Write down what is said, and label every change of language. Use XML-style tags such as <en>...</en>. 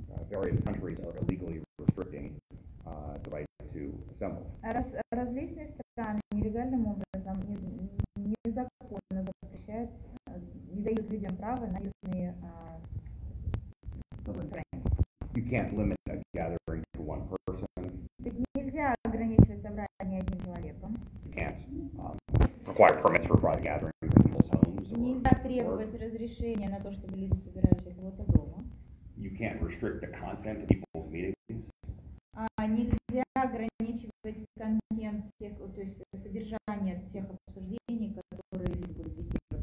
<en>Various countries are illegally restricting the right to assemble.</en> <ru>Различные страны нелегальным образом незаконно запрещают, не дают людям право на личные собрания.</ru> <en>You can't limit a gathering to one person.</en> <ru>Нельзя ограничивать собрание одним человеком.</ru> <en>You can't require permits for private gatherings in people's homes.</en> <ru>Нельзя требовать разрешения на то, чтобы люди собирались у кого-то дома.</ru> <en>You can't restrict the content of people's meetings.</en> <ru>Нельзя ограничивать контент всех, то есть содержание всех обсуждений, которые люди будут вести.</ru>